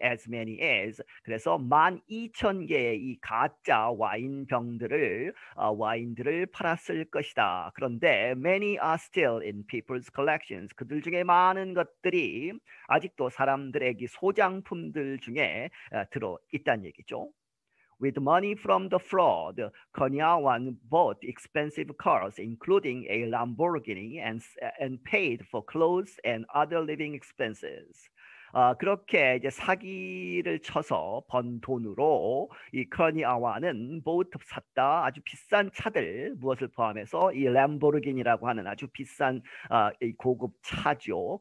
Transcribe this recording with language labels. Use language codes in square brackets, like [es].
[en] As many as [ko] 그래서 12,000개의 이 가짜 와인들을 팔았을 것이다. 그런데 [en] many are still in people's collections. [ko] 그들 중에 많은 것들이 아직도 사람들에게 소장품들 중에 들어 있다는 얘기죠. [en] With money from the fraud, Kurniawan bought expensive cars, including a Lamborghini, and paid for clothes and other living expenses. [ko] 그렇게 이제 사기를 쳐서 번 돈으로 이 커니아완은 보트 샀다. 아주 비싼 차들 무엇을 포함해서 이 램보르기니라고 하는 아주 비싼 이 고급 차죠.